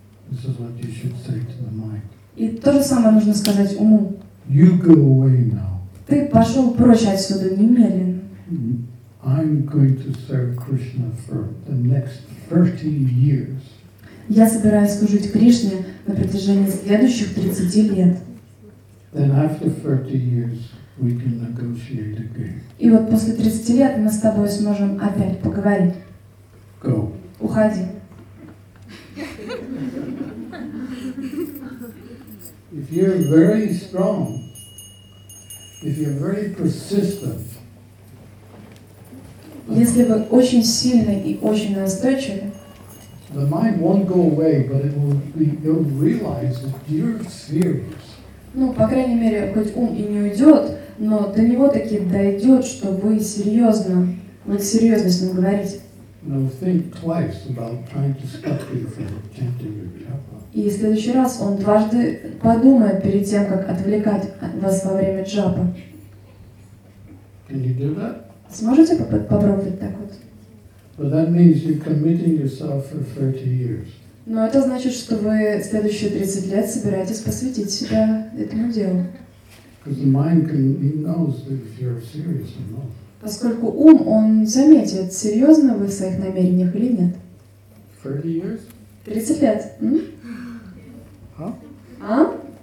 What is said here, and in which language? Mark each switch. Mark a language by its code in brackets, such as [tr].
[en] This is what you should say to the mind. [ru] И то же самое нужно сказать уму. [en] You go away now. [ru] Ты пошел прочь отсюда немедленно. [en] I'm going to serve Krishna for the next 30 years. [ru] Я собираюсь служить Кришне на протяжении следующих 30 лет. [en] Then after 30 years, we can negotiate again. [ru] И вот после 30 лет мы с тобой сможем опять поговорить. [en] Go. [ru] Уходи. [en] If you're very strong, if you're very persistent, [ru] если вы очень сильны и очень настойчивы, [en] the mind won't go away, but it will be, you'll realize that you're serious. [ru] Ну, по крайней мере, хоть ум и не уйдет, но до него таки дойдет, что вы серьезно, вы серьезно с ним говорите. [en] Now think twice about trying to stop you from chanting your japa. [ru] И в следующий раз он дважды подумает перед тем, как отвлекать вас во время джапа. [en] Can you do that? [ru] Сможете попробовать так вот? [en] But that means you're committing yourself for 30 years. [ru] Но это значит, что вы следующие 30 лет собираетесь посвятить себя этому делу. [en] Because the mind can, he knows if you're serious or not. [ru] Поскольку ум, он заметит, серьезно вы в своих намерениях или нет. [en] 30 years? [ru] 30 лет. [en] Huh? [ru] А?